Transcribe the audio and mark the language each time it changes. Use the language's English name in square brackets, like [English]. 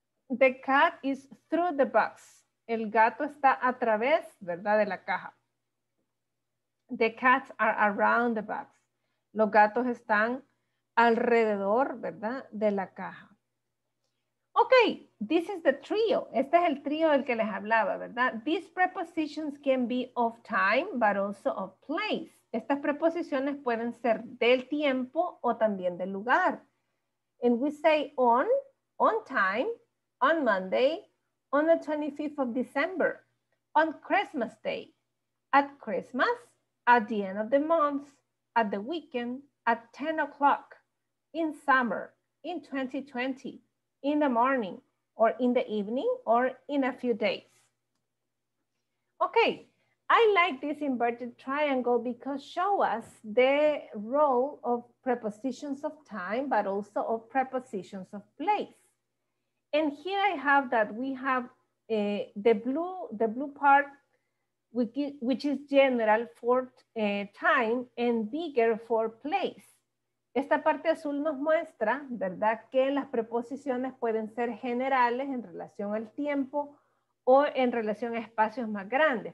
[English] The cat is through the box. [Spanish] El gato está a través, ¿verdad?, de la caja. [English] The cats are around the box. [Spanish] Los gatos están alrededor, ¿verdad?, de la caja. [English] Ok, this is the trio. [Spanish] Este es el trío del que les hablaba, ¿verdad? [English] These prepositions can be of time, but also of place. [Spanish] Estas preposiciones pueden ser del tiempo o también del lugar. [English] And we say on time, on Monday, on the 25th of December, on Christmas Day, at Christmas, at the end of the month, at the weekend, at 10 o'clock, in summer, in 2020, in the morning, or in the evening, or in a few days. Okay, I like this inverted triangle because it shows us the role of prepositions of time, but also of prepositions of place. And here I have that we have the blue part, which is general for time and bigger for place. [Spanish] Esta parte azul nos muestra, ¿verdad?, que las preposiciones pueden ser generales en relación al tiempo o en relación a espacios más grandes.